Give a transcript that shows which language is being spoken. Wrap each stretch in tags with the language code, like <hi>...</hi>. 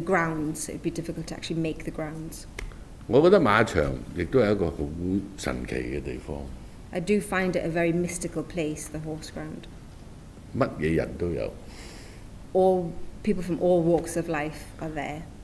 <en>grounds, it would be difficult to actually make the grounds.</en> <zh>我覺得馬場也是一個很神奇的地方。</zh> <en>I do find it a very mystical place, the horse ground.</en> <zh>什麼人都有。</zh> <en>All people from all walks of life are there.</en>